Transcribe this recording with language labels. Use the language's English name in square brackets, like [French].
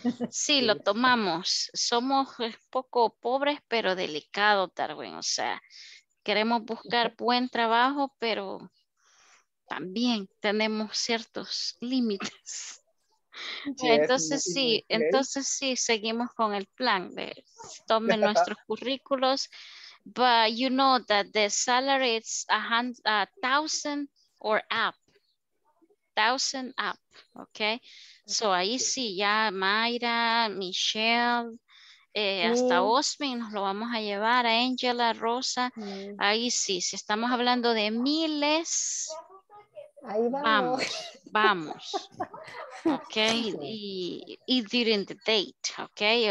[Spanish] Sí, lo tomamos. Somos poco pobres, pero delicados, Darwin. O sea, queremos buscar buen trabajo, pero... también tenemos ciertos límites. Yes, entonces sí, entonces sí, seguimos con el plan de tomen nuestros currículos. [English] But you know that the salary is 1,000 or up. 1,000 up, okay? [Spanish] So ahí sí, ya Mayra, Michelle, hasta Osmin nos lo vamos a llevar, a Angela, Rosa. Ahí sí, si estamos hablando de miles... ahí vamos. [English] Vamos. Ok. Y during the date. Ok.